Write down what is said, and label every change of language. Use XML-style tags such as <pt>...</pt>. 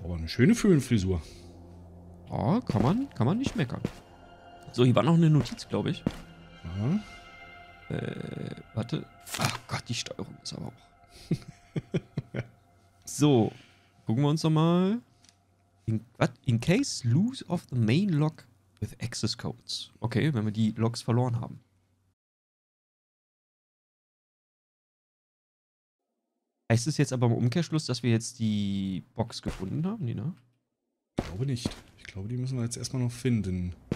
<de>Oh, aber eine schöne Föhnfrisur. Oh, kann man nicht meckern. So, hier war noch eine Notiz, glaube ich. Aha. Warte. Ach Gott, die Steuerung ist aber auch... So, gucken wir uns noch mal...</de> <en>In case lose of the main lock with access codes.</en> <de>Okay, wenn wir die Locks verloren haben. Heißt es jetzt aber im Umkehrschluss, dass wir jetzt die Box gefunden haben, Nina? Ich glaube nicht. Ich glaube, die müssen wir jetzt erstmal noch finden.</de>